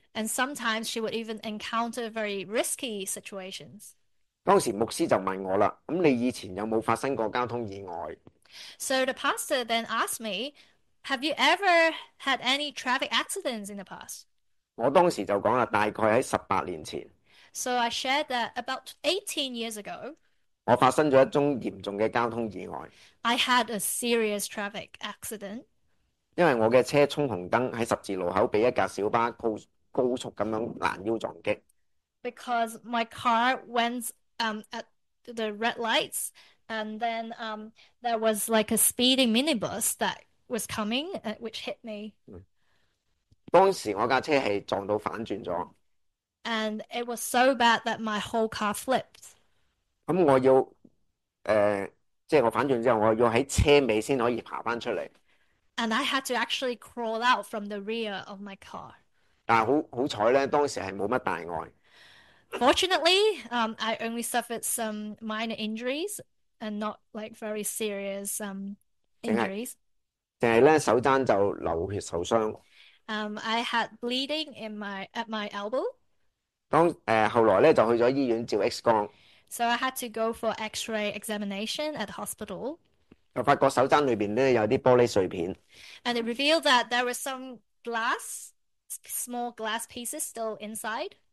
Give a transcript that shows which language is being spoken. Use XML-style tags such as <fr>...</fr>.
<en>And sometimes she would even encounter very risky situations.</en> <yue>当时牧师就问我啦，咁你以前有冇发生过交通意外？</yue> <en>So the pastor then asked me, Have you ever had any traffic accidents in the past?</en> <yue>我当时就讲啦，大概喺18年前。</yue> <en>So I shared that about 18 years ago,</en> <yue>我发生咗一宗严重嘅交通意外，</yue> <en>I had a serious traffic accident.</en> <yue>因为我嘅车冲红灯喺十字路口俾一架小巴高速咁样拦腰撞击。</yue> <en>Because my car went at the red lights, and then there was like a speeding minibus that was coming, which hit me.</en> <yue>当时我架车系撞到反转咗。</yue> <en>And it was so bad that my whole car flipped.</en> <yue>咁我要即系我反转之后，我要喺车尾先可以爬翻出嚟。</yue> <en>And I had to actually crawl out from the rear of my car.</en> <yue>但系好彩咧，当时系冇乜大碍。</yue> <en>Fortunately, I only suffered some minor injuries and not like very serious injuries.</en> <yue>净系咧手踭就流血受伤。</yue> <en>I had bleeding in my at my elbow.</en> <yue>后来咧就去咗医院照 X 光。</yue> <en>So I had to go for X-ray examination at the hospital.</en> <yue>我发觉手踭里边咧有啲玻璃碎片，</yue> <en>And it revealed that there were some small glass pieces still inside.</en>